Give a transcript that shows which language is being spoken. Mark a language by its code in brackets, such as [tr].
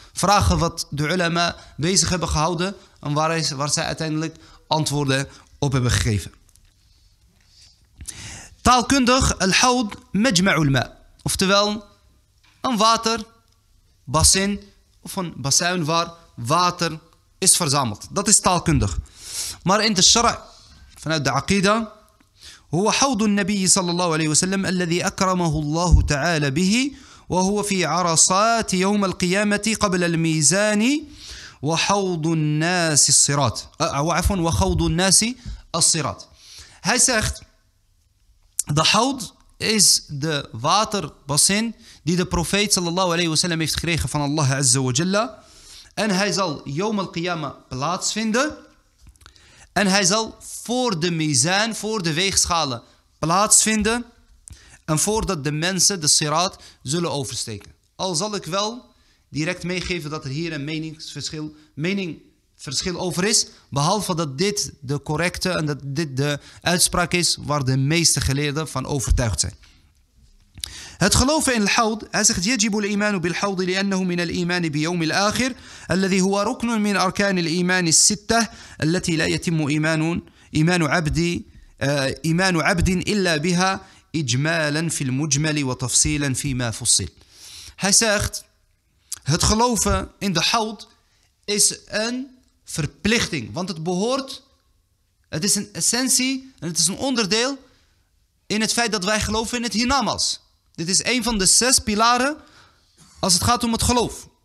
[nl] Vragen wat de ulema bezig hebben gehouden. En waar zij uiteindelijk antwoorden op hebben gegeven. Taalkundig, al-hawd [ar] مجمع الماء [nl] oftewel een water bassin of een bassin waar water is verzameld. Dat is taalkundig. Maar in de shara' vanuit de aqida [ar] هو حوض النبي صلى الله عليه وسلم الذي أكرمه الله تعالى به وهو في عرصات يوم القيامة قبل الميزان وحوض الناس الصراط عفوا وخوض الناس الصراط. [nl] Hij zegt, de houd is de waterbassin die de profeet sallallahu alayhi wa sallam heeft gekregen van Allah azza wa jalla. En hij zal yawm al-qiyama plaatsvinden. En hij zal voor de mizaan, voor de weegschalen plaatsvinden. En voordat de mensen de siraat zullen oversteken. Al zal ik wel direct meegeven dat er hier een meningsverschil over is. Behalve dat dit de correcte en dat dit de uitspraak is waar de meeste geleerden van overtuigd zijn. Het geloven in al-houd, hij zegt, [ar] يجب الإيمان بالحوض لأنه من الإيمان بيوم الآخر الذي هو ركن من أركان الإيمان الستة التي لا يتم إيمان عبد إلا بها إجمالا في المجمل وتفصيلا فيما فصل. [nl] Hij zegt, het geloven in de houd is een verplichting, want het behoort, het is een essentie en het is een onderdeel in het feit dat wij geloven in het hiernamaals. Dit is een van de zes pilaren als het gaat om het geloof.